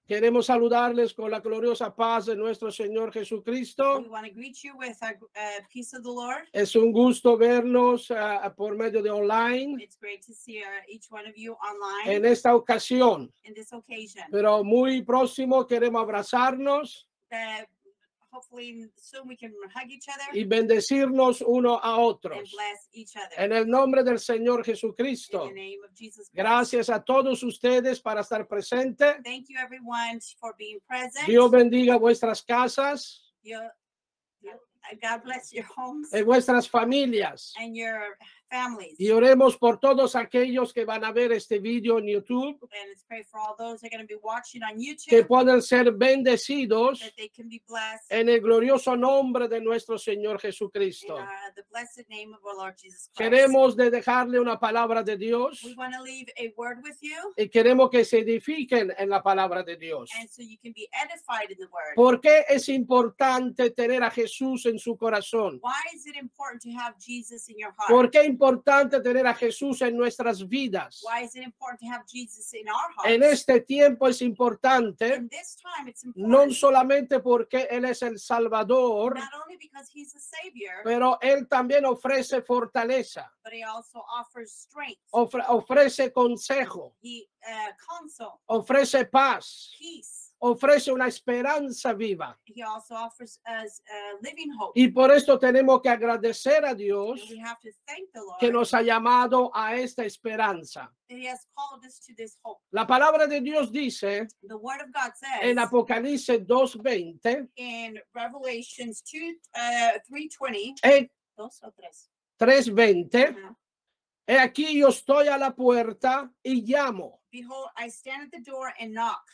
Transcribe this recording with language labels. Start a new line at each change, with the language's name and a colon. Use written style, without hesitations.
Spanish: Queremos saludarles con la gloriosa paz de nuestro Señor Jesucristo.
English: We want to greet you with a peace of the Lord.
Spanish: Es un gusto vernos por medio de online.
English: It's great to see each one of you online.
Spanish: En esta ocasión.
English: In this occasion.
Spanish: Pero muy próximo queremos abrazarnos.
English: hopefully soon we can hug each other.
Spanish: Y bendecirnos uno a otros.
English: And bless each other.
Spanish: En el nombre del Señor Jesucristo.
English: In the name of Jesus Christ.
Spanish: Gracias a todos ustedes para estar presente.
English: Thank you everyone for being present.
Spanish: Dios bendiga vuestras casas.
English: God bless your homes.
Spanish: En vuestras familias.
English: And your families.
Spanish: Y oremos por todos aquellos que van a ver este video en YouTube.
English: And let's pray for all those that are going to be watching on YouTube.
Spanish: Que puedan ser bendecidos.
English: That they can be blessed.
Spanish: En el glorioso nombre de nuestro Señor Jesucristo.
English: In the blessed name of our Lord Jesus Christ.
Spanish: Queremos de dejarle una palabra de Dios.
English: We want to leave a word with you.
Spanish: Y queremos que se edifiquen en la palabra de Dios.
English: And so you can be edified in the word.
Spanish: ¿Por qué es importante tener a Jesús en su corazón?
English: Why is it important to have Jesus in your heart?
Spanish: ¿Por qué es importante tener a Jesús en nuestras vidas?
English: Why is it important to have Jesus in our hearts?
Spanish: En este tiempo es importante.
English: In this time it's important.
Spanish: No solamente porque Él es el Salvador.
English: Not only because he's the Savior.
Spanish: Pero Él también ofrece fortaleza.
English: But he also offers strength.
Spanish: Ofrece consejo.
English: He counsel.
Spanish: Ofrece paz.
English: Peace.
Spanish: Ofrece una esperanza viva.
English: He also offers us a living hope.
Spanish: Y por esto tenemos que agradecer a Dios.
English: And we have to thank the Lord
Spanish: que nos ha llamado a esta esperanza.
English: That he has called us to this hope.
Spanish: La palabra de Dios dice.
English: The word of God says.
Spanish: En Apocalipsis 2:20.
English: In Revelation 3:20. 3:20.
Spanish: He aquí yo estoy a la puerta y llamo.
English: Behold, I stand at the door and knock.